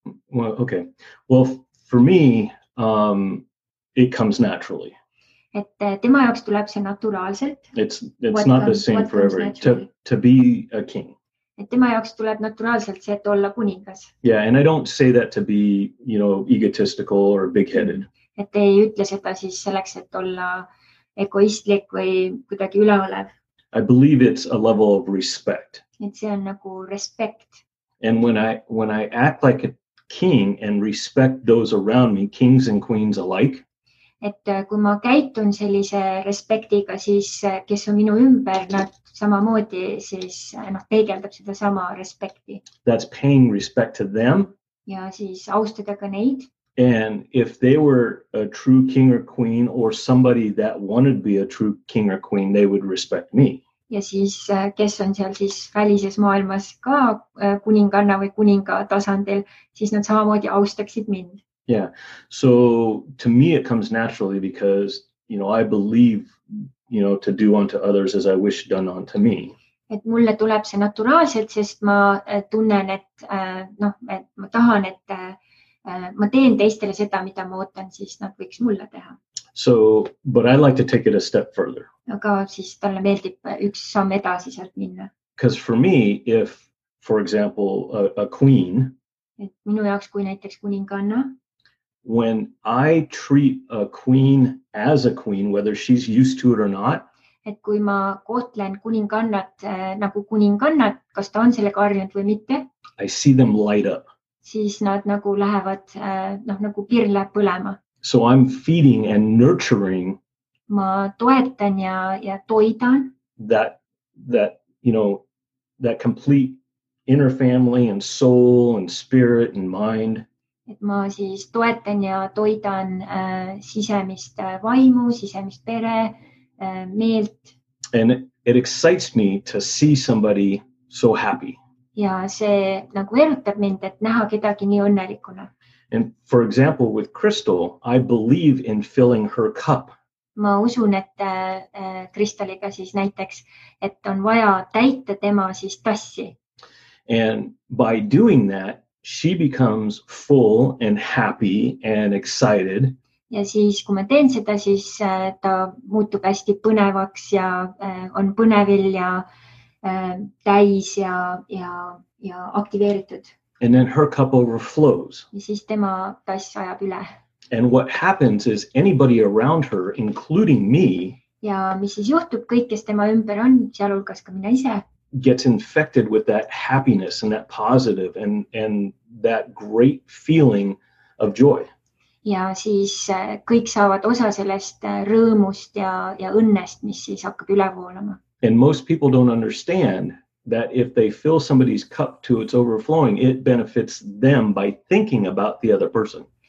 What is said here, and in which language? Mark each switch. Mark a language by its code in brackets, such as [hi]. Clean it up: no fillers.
[en] Well, okay. Well, for me, it comes naturally. [et] Et tema jaoks tuleb see naturaalselt. [en] It's not the same for every to be a king. [et] Et tema jaoks tuleb naturaalselt see, et olla kuningas. [en] Yeah, and I don't say that to be, egotistical or big-headed. [et] Et ei ütle seda siis selleks, et olla egoistlik või kuidagi üleolev. [en] I believe it's a level of respect. [et] Et see on nagu respect. [en] And when I act like a king and respect those around me, kings and queens alike, [et] et kui ma käitun sellise respektiga, siis kes on minu ümber, nad samamoodi siis peegeldab seda sama respekti. [en] That's paying respect to them. [et] Ja siis austada ka neid. [en] And if they were a true king or queen or somebody that wanted to be a true king or queen, they would respect me. [et] Ja siis kes on seal siis välises maailmas ka kuninganna või kuninga tasandil, siis nad samamoodi austaksid mind. [en] Yeah. So to me, it comes naturally because, I believe, to do unto others as I wish done unto me. [et] Et mulle tuleb see naturaalselt, sest ma tunnen, et ma tahan, et ma teen teistele seda, mida ma ootan, siis nad võiks mulle teha. [en] So, but I'd like to take it a step further. [et] Aga siis talle meeldib üks samm edasi sealt minna. [en] Because for me, if, for example, a queen. [et] Et minu jaoks kui näiteks kuninganna. [en] When I treat a queen as a queen, whether she's used to it or not. [et] Et kui ma kohtlen kuningannat nagu kuningannat, kas ta on selle karjunud või mitte. [en] I see them light up. [et] Siis nad nagu lähevad, nagu pirl läheb põlema. [en] So I'm feeding and nurturing. [et] Ma toetan ja toidan. [en] That you know, that complete inner family and soul and spirit and mind. [et] Et ma siis toetan ja toidan sisemist vaimu, sisemist pere, meelt. [en] And it excites me to see somebody so happy. [et] Ja see nagu erutab mind, et näha kedagi nii õnnelikuna. [en] And for example, with Crystal, I believe in filling her cup. [et] Ma usun, et Crystaliga siis näiteks, et on vaja täita tema siis tassi. [en] And by doing that, she becomes full and happy and excited. [et] Ja siis, kui ma teen seda, siis ta muutub hästi põnevaks ja on põnevil ja täis ja aktiveeritud. [en] And then her cup overflows. [et] Ja siis tema tass ajab üle. [en] And what happens is anybody around her, including me, [et] ja mis siis juhtub kõik, kes tema ümber on, sealhulgas ka mina ise, [en] gets infected with that happiness and that positive and that great feeling of joy. [et] Ja siis kõik saavad osa sellest rõõmust ja õnnest, mis siis hakkab üle voolama. [en] And most people don't understand that if they fill somebody's cup to its overflowing, it benefits them by thinking about the other person.